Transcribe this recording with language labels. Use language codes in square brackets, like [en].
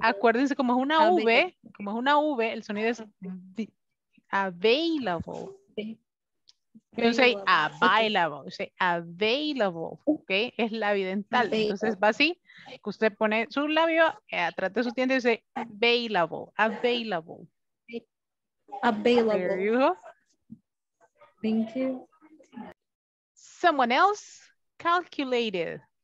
[es] Acuérdense, como es una V, el sonido es available. [en] You don't say available, you say available, okay? [es] Es labio dental. Entonces va así, que usted pone su labio, atrás de su diente y dice available. [en] Available. There you go. Thank you. Someone else calculated.